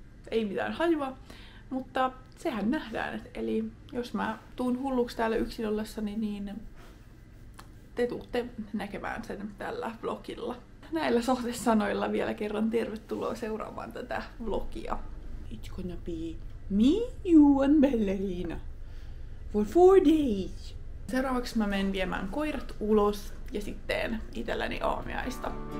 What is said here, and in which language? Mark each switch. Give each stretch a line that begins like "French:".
Finnish: Ei mitään hajua, mutta sehän nähdään. Eli jos mä tuun hulluksi täällä yksin ollessani, niin te tuutte näkemään sen tällä vlogilla. Näillä sohtesanoilla vielä kerran tervetuloa seuraamaan tätä vlogia.
English: It's gonna be me, you and Bellerina for 4 days.
Finnish: Seuraavaksi mä menen viemään koirat ulos ja sitten itselläni aamiaista.